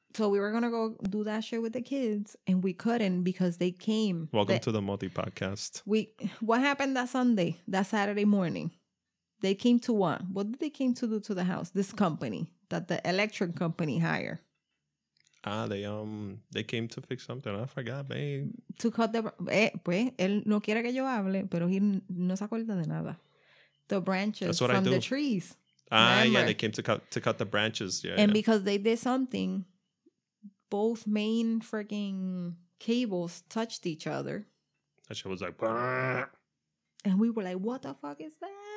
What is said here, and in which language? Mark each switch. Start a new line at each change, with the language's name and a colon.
English: So we were going to go do that shit with the kids and we couldn't because they came. Welcome to the Multi Podcast. What happened that Sunday, that Saturday morning? They came to what? What did they came to do to the house? This company that the electric company hired. Ah, they came to fix something. I forgot, babe. To cut the...
Spanish: pues, él no quiere que yo hable, pero él no se acuerda de nada.
English: The branches from the trees. Ah, remember? Yeah, they came to cut the branches. Yeah, and because they did something... Both main freaking cables touched each other. That shit was like, bah! And we were like, what the fuck is that?